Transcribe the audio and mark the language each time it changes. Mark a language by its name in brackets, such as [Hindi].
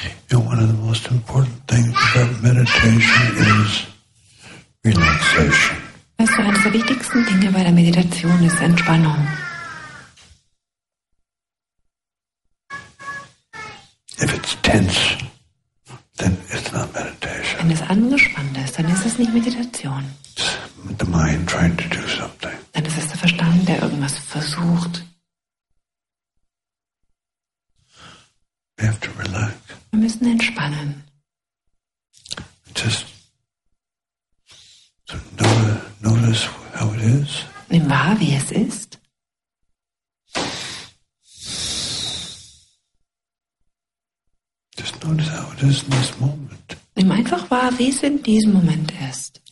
[English] You know, one of the most important things about meditation is relaxation. [German] Weißt du, eines der wichtigsten Dinge bei der Meditation ist Entspannung. [English] If it's tense, then it's not meditation. [German] Wenn es angespannt ist, dann ist es nicht Meditation. [English] It's the mind trying to do something. [German] Dann ist es der Verstand, der irgendwas versucht. [English] We have to relax. [German] Wir müssen entspannen. [English] Just to notice how it is. [German] Nimm wahr, wie es ist. [English] Just notice how it is in this moment. [German] Nimm einfach wahr, wie es in diesem Moment ist.